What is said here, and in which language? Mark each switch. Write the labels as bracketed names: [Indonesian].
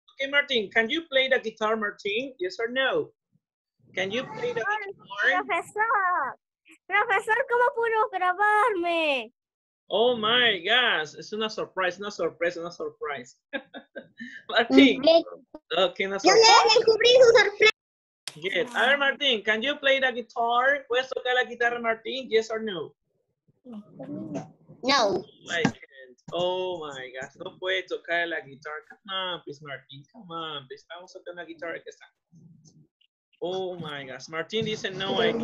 [English] Hey, Martin, can you play the guitar, Martin? Yes or no? Can you play the guitar? [Spanish] Profesor, profesor, ¿cómo pudo grabarme? [English] Oh my gosh, it's not a surprise, not a surprise, not a surprise. Martin, okay, not a surprise. [Spanish] Yo le descubrí su sorpresa. [English] Yes, [Spanish] a ver, [English] Martin, can you play the guitar? [Spanish] ¿Puedes tocar la guitarra, Martin? [English] Yes or no? No. Oh my gosh, [Spanish] no puede tocar la guitarra. [English] Come on, please, Martin. Come on, please. [Spanish] Vamos a tocar la guitarra que está. [English] Oh my gosh, Martin [Spanish] dice no, [English] I can't.